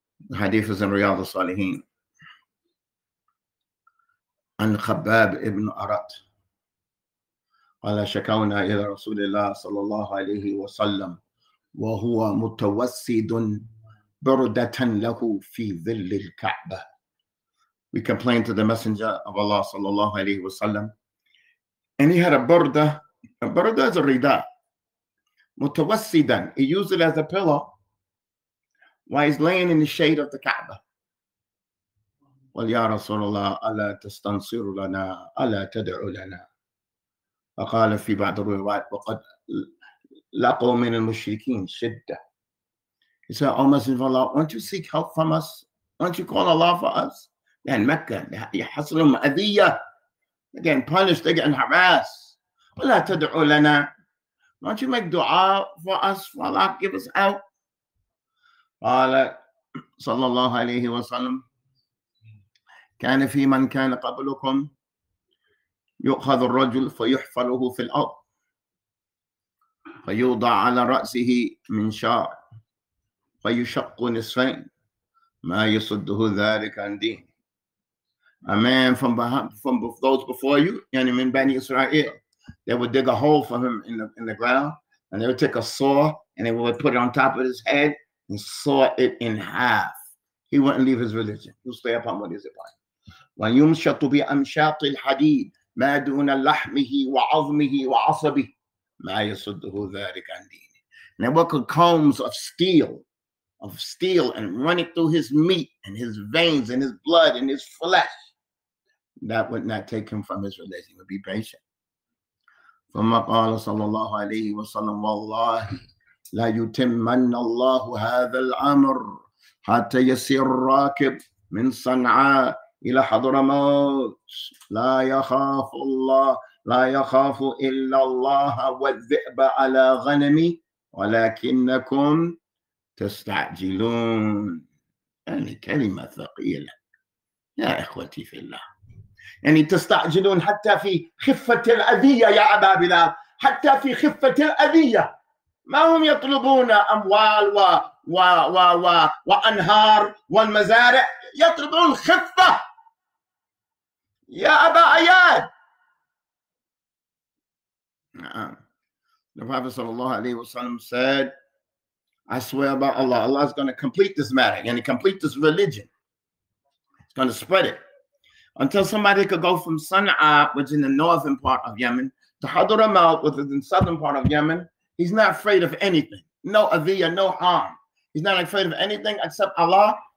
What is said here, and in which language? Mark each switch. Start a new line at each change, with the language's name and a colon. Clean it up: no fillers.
Arabic: الحديث
English: is in
Arabic: رياض الصالحين عن خباب ابن أرط قال شكونا إلى رسول الله صلى الله عليه وسلم وهو متوسد بردة له في ظل الكعبة.
English: We complained to the messenger of Allah صلى الله عليه وسلم and he had a burda. A burda is a rida. متوسدا, he used it as a pillow while he's laying in the shade of the كعبة.
Arabic: وَلْيَا رَسُولَ اللَّهِ أَلَا تَسْتَنْصِرُ لَنَا أَلَا تَدْعُ لَنَا. فقال في بعض الروايات وقد لقوا من المشركين شدة.
English: He said, oh Messenger of Allah, won't you seek help from us? Won't you call Allah for us? They're in Mecca.
Arabic: يحصلهم أذية.
English: They're getting punished. They're getting harassed.
Arabic: ولا تدعوا لنا.
English: Won't you make دعاء for us? For Allah, give us help.
Arabic: قال صلى الله عليه وسلم كان في من كان قبلكم يؤخذ الرجل فيحفله في الأرض فيوضع على رأسه منشار فيشق نصفين ما يصده ذلك عن دين.
English: A man from those before you,
Arabic: يعني من بني إسرائيل,
English: they would dig a hole for him in the ground and they would take a saw and they would put it on top of his head and saw it in half. He wouldn't leave his religion. He'll stay upon what he's upon.
Arabic: وَيُمْشَطُ بِأَمْشَاطِ الْحَدِيدِ ما دون لحمه وعظمه وعصبه ما يصده ذلك عن دينه.
English: Now what could combs of steel and running through his meat and his veins and his blood and his flesh, that would not take him from his religion. He would be patient.
Arabic: ثم قال صلى الله عليه وسلم والله لا يتمن الله هذا الأمر حتى يسير راكب من صنعاء إلى حضرموت لا يخاف الله لا يخاف إلا الله والذئب على غنمي ولكنكم تستعجلون. يعني كلمة ثقيلة يا إخوتي في الله. يعني تستعجلون حتى في خفة الأذية يا أبا بلال, حتى في خفة الأذية. ما هم يطلبون أموال و و و و وأنهار والمزارع, يطلبون خفة يا أبا عياد. نعم.
English: The Prophet
Arabic: صلى الله عليه وسلم
English: said, I swear by Allah, Allah is going to complete this matter and complete this religion. It's going to spread it until somebody could go from Sana'a, which is in the northern part of Yemen, to Hadramaut, which is in the southern part of Yemen. He's not afraid of anything. No aviyah, no harm. He's not afraid of anything except Allah.